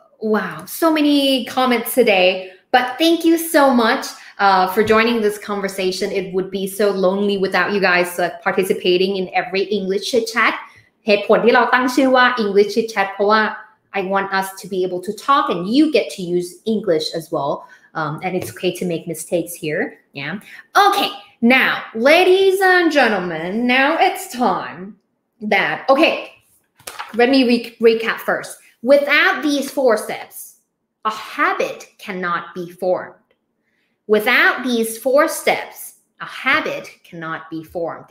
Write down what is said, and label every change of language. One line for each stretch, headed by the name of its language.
English: Wow, so many comments today, but thank you so much for joining this conversation. It would be so lonely without you guys participating in every English chit chat.
Thai: เหตุผลที่เราตั้งชื่อว่า English chit chat เพราะว่า
English: I want us to be able to talk and you get to use English as well. And it's okay to make mistakes here. Yeah. Okay. Now, ladies and gentlemen, now it's time that, okay, let me recap first. Without these 4 steps, a habit cannot be formed. Without these 4 steps, a habit cannot be formed.